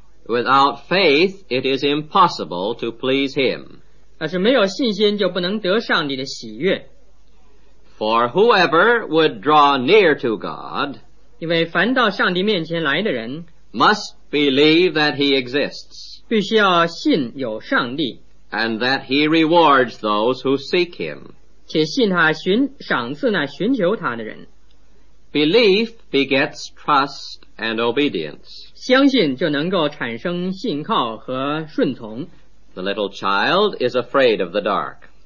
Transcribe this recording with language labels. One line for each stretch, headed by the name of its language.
English: Without faith it is impossible to please him.
Chinese: 但是没有信心就不能得上帝的喜悦。
English: For whoever would draw near to God,
Chinese: 因为凡到上帝面前来的人,
English: must believe that he exists
Chinese: 必须要信有上帝
English: and that he rewards those who seek him
Chinese: 且信他赏赐那寻求他的人
English: belief begets trust and obedience
Chinese: 相信就能够产生信靠和顺从
English: The little child is afraid of the dark.